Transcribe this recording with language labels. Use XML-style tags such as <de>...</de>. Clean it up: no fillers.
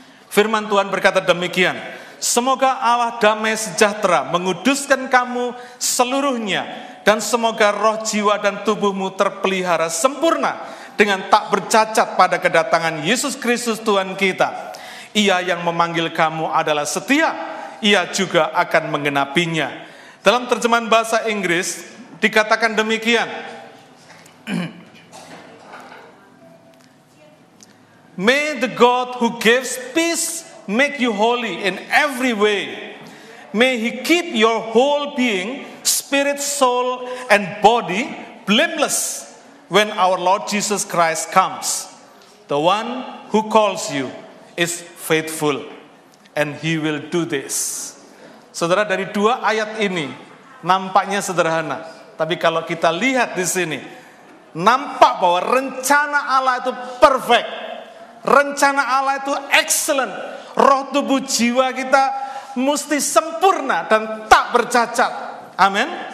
<id>Firman Tuhan berkata demikian. Semoga Allah damai sejahtera menguduskan kamu seluruhnya dan semoga roh, jiwa dan tubuhmu terpelihara sempurna dengan tak bercacat pada kedatangan Yesus Kristus Tuhan kita. Ia yang memanggil kamu adalah setia, ia juga akan menggenapinya. Dalam terjemahan bahasa Inggris dikatakan demikian.</id> <en>May the God who gives peace make you holy in every way. May he keep your whole being, spirit, soul, and body blameless when our Lord Jesus Christ comes. The one who calls you is faithful, and he will do this.</en> <id>Saudara, dari dua ayat ini nampaknya sederhana, tapi kalau kita lihat di sini nampak bahwa rencana Allah itu perfect. Rencana Allah itu excellent. Roh, tubuh, jiwa kita mesti sempurna dan tak bercacat. Amin.</id>